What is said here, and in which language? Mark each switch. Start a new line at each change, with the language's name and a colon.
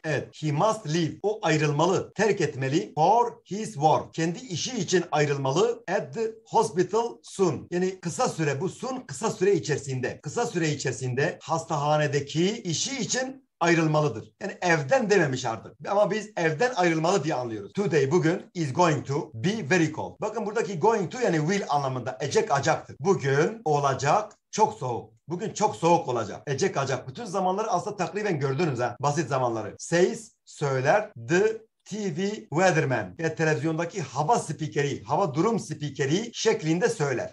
Turkish: Evet,
English: he must leave,
Turkish: o ayrılmalı, terk etmeli.
English: For his work,
Turkish: kendi işi için ayrılmalı.
English: At the hospital soon,
Turkish: yani kısa süre, bu soon kısa süre içerisinde. Kısa süre içerisinde hasta hanedeki işi için ayrılmalıdır. Yani evden dememiş artık. Ama biz evden ayrılmalı diye anlıyoruz.
English: Today,
Turkish: bugün,
English: is going to be very cold.
Turkish: Bakın buradaki going to yani will anlamında. Ecek acaktır. Bugün olacak çok soğuk. Bugün çok soğuk olacak. Ecek acak. Bütün zamanları aslında takriben gördünüz ha. Basit zamanları.
English: Says,
Turkish: söyler,
English: the TV weatherman
Turkish: ve televizyondaki hava spikeri, hava durum spikeri şeklinde söyler.